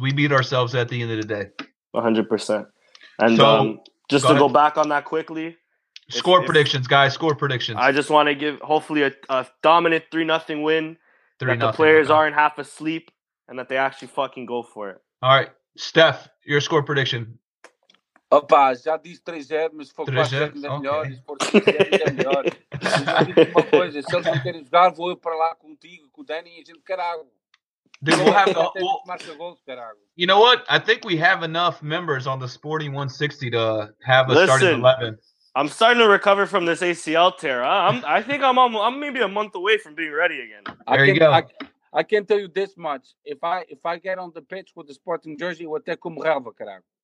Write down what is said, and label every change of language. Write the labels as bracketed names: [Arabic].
[English] We beat ourselves at the end of the day. 100%. And so, go back on that quickly. Score predictions. I just want to give hopefully a dominant 3-0 win. 3-0. That the players aren't half asleep and that they actually fucking go for it. All right, Steph, your score prediction. [Portuguese] Opa, já disse 3-0, mas se for 4-0 ainda melhor. E se for 4-0 ainda melhor. Se eles não querem jogar, vou eu para lá contigo, com o Danny e a gente, caralho. [English] Then we'll have to. You know what? I think we have enough members on the Sporting 160 to have a starting 11. I'm starting to recover from this ACL tear. I think I'm maybe a month away from being ready again. I can tell you this much. If I get on the pitch with the Sporting jersey, what they come hell of a crowd.